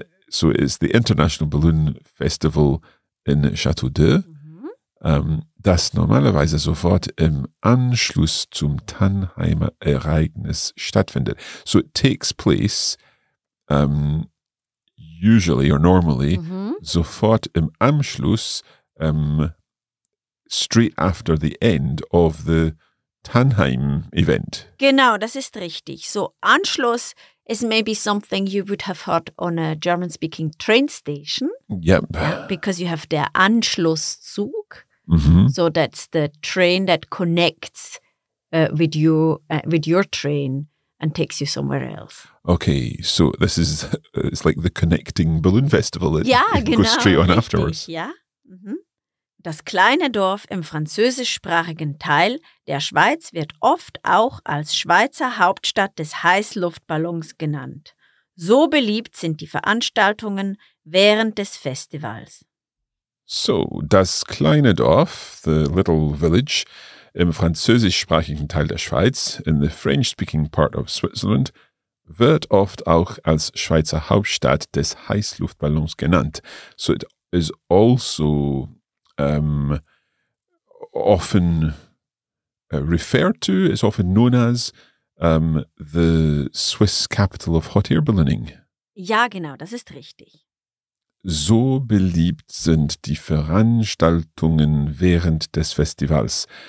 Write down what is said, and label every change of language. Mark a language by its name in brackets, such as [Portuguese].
[English] So it's the International Balloon Festival in Châteaudun. [German] Das normalerweise sofort im Anschluss zum Tannheimer Ereignis stattfindet. [English] So it takes place usually or normally [German] sofort im Anschluss, [English] straight after the end of the Tannheim event. [German] Genau, das ist richtig. So Anschluss [English] is maybe something you would have heard on a German-speaking train station. Yep. Because you have der Anschlusszug. Mm-hmm. So that's the train that connects with your train and takes you somewhere else. Okay, so this is it's like the connecting balloon festival that yeah, you [German] genau, [English] go straight on richtig, afterwards. [German] Ja, mm-hmm. Das kleine Dorf im französischsprachigen Teil der Schweiz wird oft auch als Schweizer Hauptstadt des Heißluftballons genannt. So beliebt sind die Veranstaltungen während des Festivals. So, das kleine Dorf, [English] the little village, [German] im französischsprachigen Teil der Schweiz, [English] in the French-speaking part of Switzerland, [German] wird oft auch als Schweizer Hauptstadt des Heißluftballons genannt. [English] So it is also often referred to, it's often known as the Swiss capital of hot air ballooning. [German] Ja, genau, das ist richtig. So beliebt sind die Veranstaltungen während des Festivals.